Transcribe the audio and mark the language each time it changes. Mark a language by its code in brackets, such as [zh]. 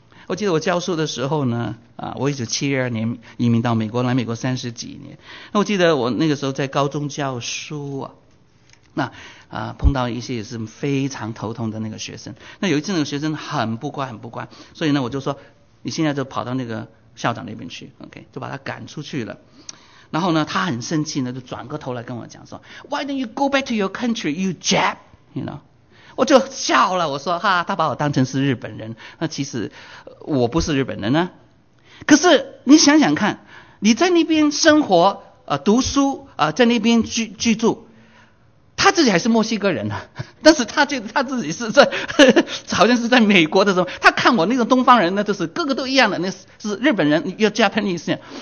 [zh] 我记得我教书的时候呢，我1972年移民到美国，来美国30几年。那我记得我那个时候在高中教书啊，碰到一些也是非常头痛的那个学生。那有一次那个学生很不乖，很不乖，所以呢我就说，你现在就跑到那个校长那边去 ，OK， 就把他赶出去了。然后呢，他很生气呢，就转过头来跟我讲说 [en] ，Why don't you go back to your country, you jab, you know? [zh] 我就笑了，我说哈，他把我当成是日本人，那其实我不是日本人呢。可是你想想看，你在那边生活读书在那边居住，他自己还是墨西哥人呢，但是他觉得他自己是在好像是在美国的时候，他看我那种东方人呢，就是个个都一样的，那是日本人 ， [en] You're Japanese。